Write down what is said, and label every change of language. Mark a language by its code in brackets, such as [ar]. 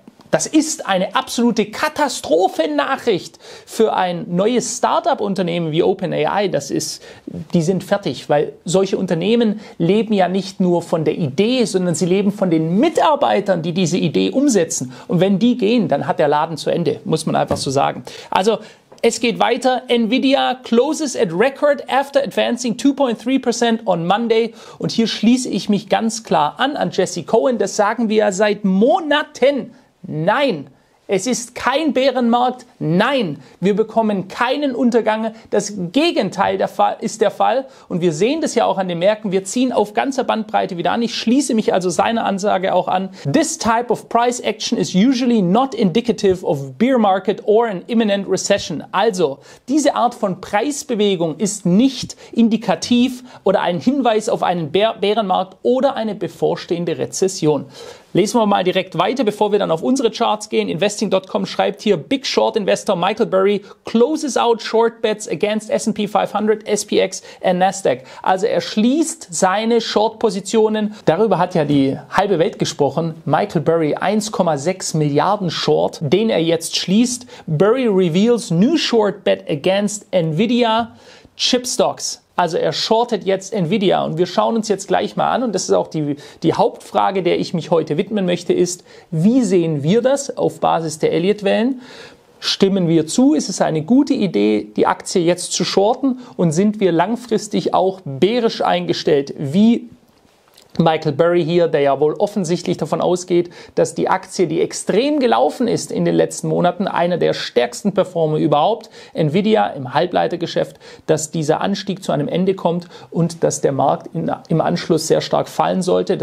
[de] Das ist eine absolute Katastrophennachricht für ein neues Startup-Unternehmen wie OpenAI. Die sind fertig, weil solche Unternehmen leben ja nicht nur von der Idee, sondern sie leben von den Mitarbeitern, die diese Idee umsetzen. Und wenn die gehen, dann hat der Laden zu Ende, muss man einfach so sagen. Also, es geht weiter. [en] Nvidia closes at record after advancing 2.3% on Monday. [de] Und hier schließe ich mich ganz klar an Jesse Cohen. Das sagen wir ja seit Monaten. Nein, es ist kein Bärenmarkt. Nein, wir bekommen keinen Untergang. Das Gegenteil ist der Fall. Und wir sehen das ja auch an den Märkten. Wir ziehen auf ganzer Bandbreite wieder an. Ich schließe mich also seiner Ansage auch an. [en] This type of price action is usually not indicative of bear market or an imminent recession. [de] Also, diese Art von Preisbewegung ist nicht indikativ oder ein Hinweis auf einen Bärenmarkt oder eine bevorstehende Rezession. Lesen wir mal direkt weiter, bevor wir dann auf unsere Charts gehen. Investing.com schreibt hier, [en] Big Short Investor Michael Burry closes out short bets against S&P 500, SPX and Nasdaq. [de] Also er schließt seine Short-Positionen. Darüber hat ja die halbe Welt gesprochen. Michael Burry, 1,6 Milliarden Short, den er jetzt schließt. [en] Burry reveals new short bet against Nvidia Chip Stocks. [de] Also er shortet jetzt Nvidia und wir schauen uns jetzt gleich mal an und das ist auch die Hauptfrage, der ich mich heute widmen möchte, ist, wie sehen wir das auf Basis der Elliott-Wellen? Stimmen wir zu? Ist es eine gute Idee, die Aktie jetzt zu shorten und sind wir langfristig auch bärisch eingestellt, wie Michael Burry hier, der ja wohl offensichtlich davon ausgeht, dass die Aktie, die extrem gelaufen ist in den letzten Monaten, einer der stärksten Performer überhaupt, Nvidia im Halbleitergeschäft, dass dieser Anstieg zu einem Ende kommt und dass der Markt im Anschluss sehr stark fallen sollte.